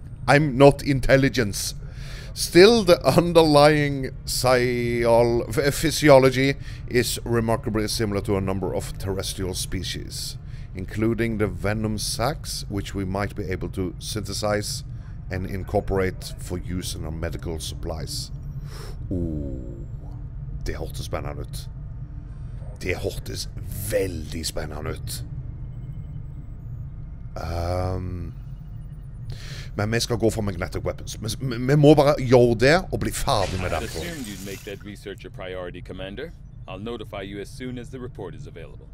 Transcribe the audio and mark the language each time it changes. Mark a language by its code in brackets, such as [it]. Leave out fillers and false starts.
[en] I'm not intelligence. Still, the underlying physiology is remarkably similar to a number of terrestrial species, including the venom sacs, which we might be able to synthesize and incorporate for use in our medical supplies. [no] Det hørtes spennende ut. Det hørtes veldig spennende ut. Men vi skal gå for magnetic weapons. Vi må bare gjøre det og bli ferdig med det. [en] I assumed you'd make that research a priority, Commander. I'll notify you as soon as the report is available.